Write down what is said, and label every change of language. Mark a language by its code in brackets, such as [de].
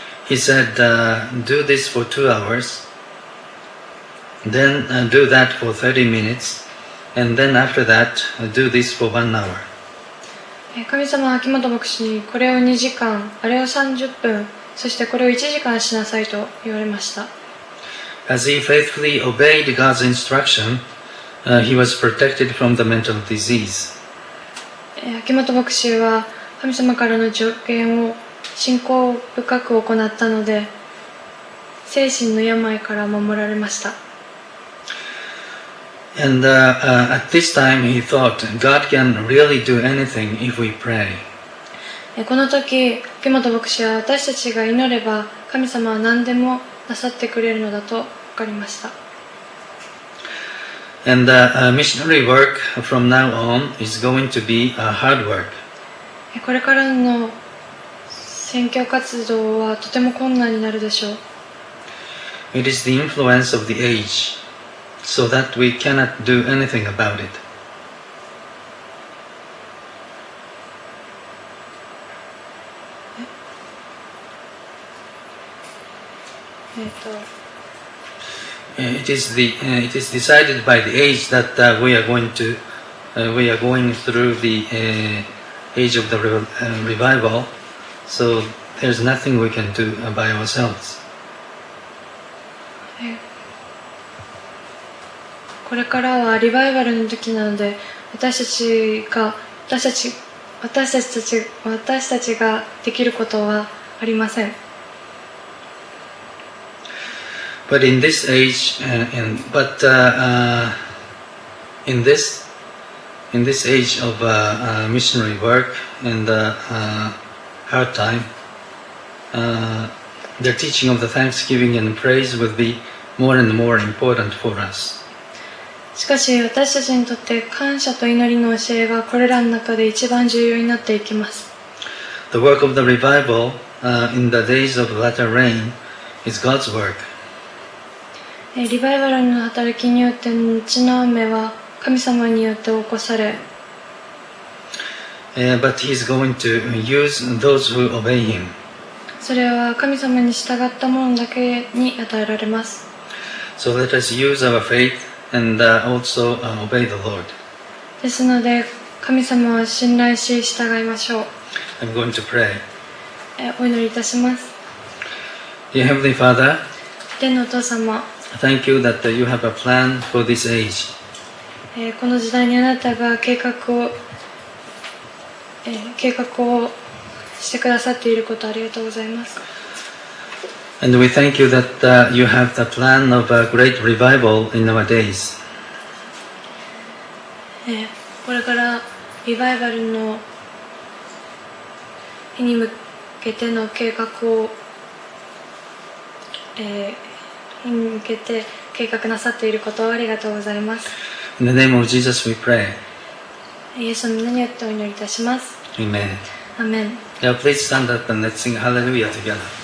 [en] He said, "Do this for 2 hours." Then do that for 30 minutes, and then after that, do this for 1 hour. [ja] 神様は秋元牧師にこれを2時間、あれを30分、そしてこれを1時間しなさいと言われました。 [en] As he faithfully obeyed God's instruction, he was protected from the mental disease. [ja] 秋元牧師は神様からの助言を信仰深く行ったので、精神の病から守られました。 [en] And at this time he thought, God can really do anything if we pray. [ja] この時、秋元牧師は私たちが祈れば神様は何でもなさってくれるのだと分かりました。 [en] And missionary work from now on is going to be a hard work. [ja] これからの宣教活動はとても困難になるでしょう。 [en] It is the influence of the age. So that we cannot do anything about it. It is decided by the age that we are going through the age of the revival. So there's nothing we can do by ourselves. [ja] これからはリバイバルの時なので、私たちができることはありません。 [en] But in this age, in this age of missionary work and hard time, the teaching of the thanksgiving and praise would be more and more important for us. [ja] しかし私たちにとって感謝と祈りの教えがこれらの中で一番重要になっていきます。 [en] The work of the revival, in the days of latter rain is God's work. [ja] リバイバルの働きによって後の雨は神様によって起こされ。 [en] But he's going to use those who obey him. [ja] それは神様に従った者だけに与えられます。 [en] So let us use our faithAnd also obey the Lord. [ja] ですので、神様を信頼し従いましょう。 [en] I'm going to pray. [ja] お祈りいたします。 [en] Dear Heavenly Father, [ja] 天のお父様、 [en] Thank you that you have a plan for this age. [ja] この時代にあなたが計画を、計画をしてくださっていることありがとうございます。 [en] And we thank you that you have the plan of a great revival in our days. [ja] これからリバイバルの日に向けての計画を、日に向けて計画なさっていることをありがとうございます。 [en] In the name of Jesus we pray. [ja] イエスの名によってお祈りいたします。 [en] Amen. Amen. Now please stand up and let's sing Hallelujah together.